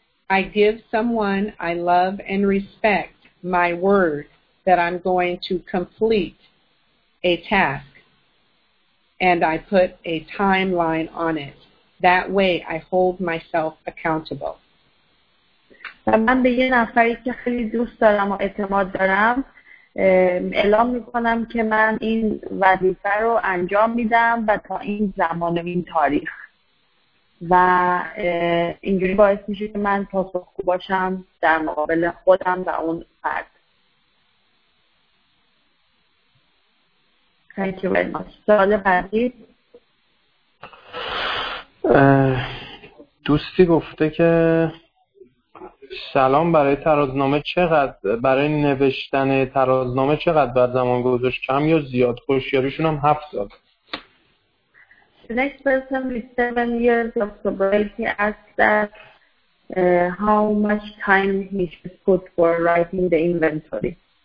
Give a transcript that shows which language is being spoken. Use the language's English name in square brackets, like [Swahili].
[English] I give someone I love and respect my word that I'm going to complete a task and I put a timeline on it. That way I hold myself accountable. [Persian] و من به یه نفری که خیلی دوست دارم و اعتماد دارم اعلام میکنم که من این وظیفه رو انجام میدم و تا این زمان و این تاریخ و اینجوری باعث میشه که من پاسخگو باشم در مقابل خودم و اون فرد. [English] Thank you very much. [Persian] سوال بعدی. دوستی گفته که سلام، برای ترازنامه چقدر برای نوشتن ترازنامه چقدر بر زمان گذاشت، کم یا زیاد؟ هوشیاریشون هم 7 سال. [English] The next person with 7 years of sobriety asked that how much time he should put for writing the inventory.